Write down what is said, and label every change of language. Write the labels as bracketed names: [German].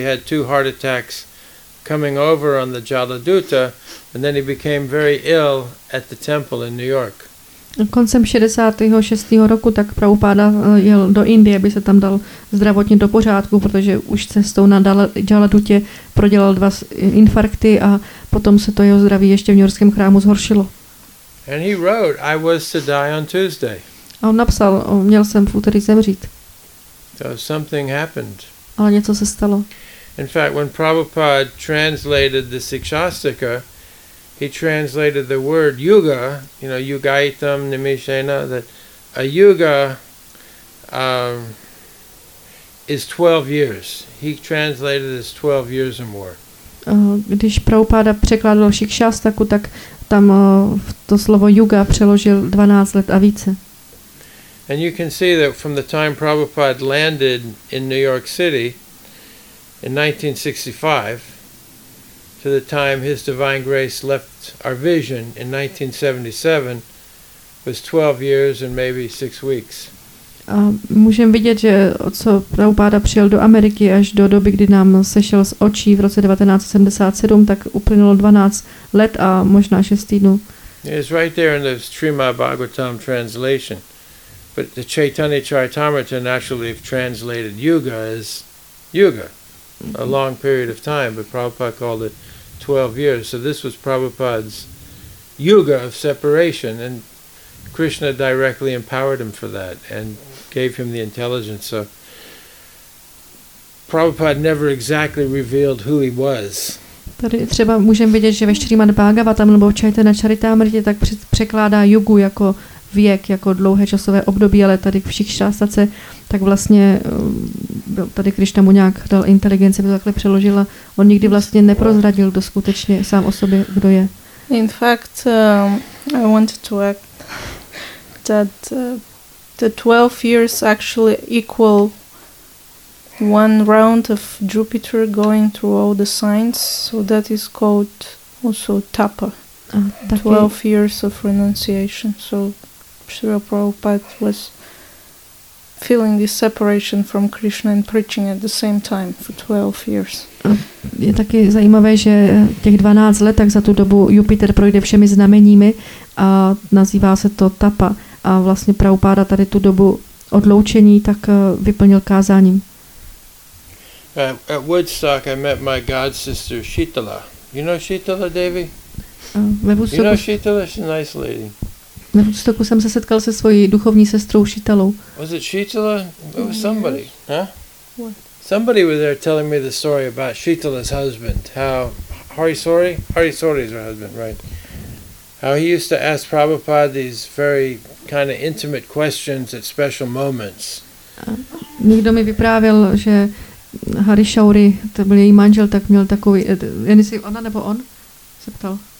[English] He had two heart attacks coming over on the Jaladuta, and then he became very ill at the temple in New York. [Czech] Koncem 66. roku tak Prabhupáda jel do Indie, aby se tam dal zdravotně do pořádku, protože už cestou na Jaladutě prodělal dva infarkty a potom se to jeho zdraví ještě v newyorském chrámu zhoršilo. [English] And he wrote, I was to die on Tuesday. [Czech] A on napsal, měl jsem v úterý zemřít. [English] So something happened. [Czech] Ale něco se stalo. [English] In fact, when Prabhupada translated the Sikshastika, he translated the word yuga, you know, [Sanskrit] yugaitam nimishena, [English] that a yuga is 12 years. He translated it as 12 years or more. [Czech] Když Prabhupada překládal Sikshastaku, tak tam to slovo yuga přeložil 12 let a více. [English] And you can see that from the time Prabhupada landed in New York City in 1965 to the time His Divine Grace left our vision in 1977 was 12 years and maybe 6 weeks. [Czech] A můžeme vidět, že od co Prabhupada přijel do Ameriky až do doby, kdy nám sešel z očí v roce 1977, tak uplynulo 12 let a možná 6 týdnů. [English] It's right there in the Srimad Bhagavatam translation. But the Chaitanya Charitamrita naturally translated yuga as yuga, a long period of time, but Prabhupada called it 12 years. So this was Prabhupada's yuga of separation, and Krishna directly empowered him for that and gave him the intelligence. So Prabhupada never exactly revealed who he was. [Czech] Tady třeba můžeme vidět, že ve Srimad Bhagavatam nebo Chaitanya Charitamrita tak překládá jugu jako věk, jako dlouhé časové období, ale tady v Sikshastice tak vlastně byl tady Krišna mu nějak dal inteligenci, by to takhle přeložila. On nikdy vlastně neprozradil to skutečně sám o sobě, kdo je. [English] In fact, I wanted to act that the 12 years actually equal one round of Jupiter going through all the signs, so that is called also tapa. 12 years of renunciation. So Srila Prabhupada was feeling this separation from Krishna and preaching at the same time for 12 years. [Czech] Je taky zajímavé, že těch 12 let, tak za tu dobu Jupiter projde všemi znameními a nazývá se to tapa. A vlastně Prabhupada tady tu dobu odloučení tak vyplnil kázáním. [English] At Woodstock I met my god sister Shitala. You know Shitala, Devi? You know Shitala? She's a nice lady. [Czech] Na Woodstocku jsem se setkal se svojí duchovní sestrou Shitalou. [English] Was it Shitala? It was somebody, huh? Somebody was there telling me the story about Shitala's husband, how Hari Sori is her husband, right? How he used to ask Prabhupada these very kind of intimate questions at special moments. [Czech] Někdo mi vyprávěl, že Hari Sori, to byl její manžel, tak měl takový, jen si ona nebo on se ptal.